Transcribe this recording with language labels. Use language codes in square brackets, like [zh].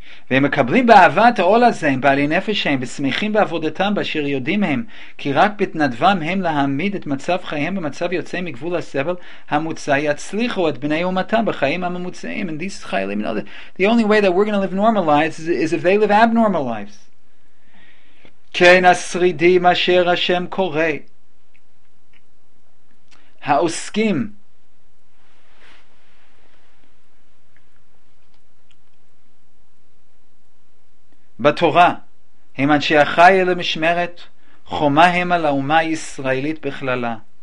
[he] והם מקבלים באהבה את העול הזה, הם בעלי נפש שהם, ושמחים בעבודתם באשר יודעים הם, כי רק בתנדבם הם להעמיד את מצב חייהם במצב יוצא מגבול הסבל המוצא, יצליחו את בני אומתם בחיים הממוצאים. [en] And these חיילים, you know, the only way that we're going to live normal lives is if they live abnormal lives. [he] כן השרידים אשר השם קורא, העוסקים, בתורה, הם אנשי החי אלה משמרת, חומה הם על האומה הישראלית בכללה.